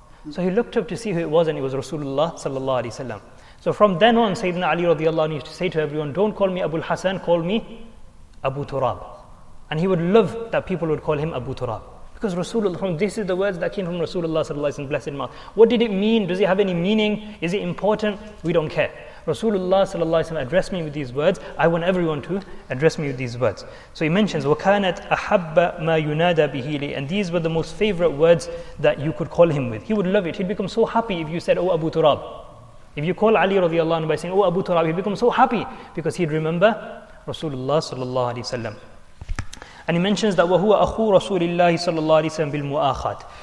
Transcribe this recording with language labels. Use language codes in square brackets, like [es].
[en] So he looked up to see who it was, and it was Rasulullah sallallahu alayhi wa sallam. So from then on, Sayyidina Ali radiallahu anhu used to say to everyone, don't call me Abu al-Hasan, call me Abu Turab. And he would love that people would call him Abu Turab. Because Rasulullah, this is the words that came from Rasulullah sallallahu alayhi wa sallam, blessed mouth. What did it mean? Does it have any meaning? Is it important? We don't care. Rasulullah sallallahu alayhi wa sallam addressed me with these words. I want everyone to address me with these words. So he mentions, [ar] وَكَانَتْ أَحَبَّ مَا يُنَادَ بِهِ لِي. [en] And these were the most favorite words that you could call him with. He would love it. He'd become so happy if you said, oh Abu Turab. If you call Ali radiallahu anhu by saying, oh Abu Turab, he'd become so happy because he'd remember Rasulullah sallallahu alayhi wa sallam. And he mentions that [ar] وَهُوَ أَخُو رَسُولِ اللَّهِ sallallahu alayhi wa sallam بِالْمُؤَاخَاتِ.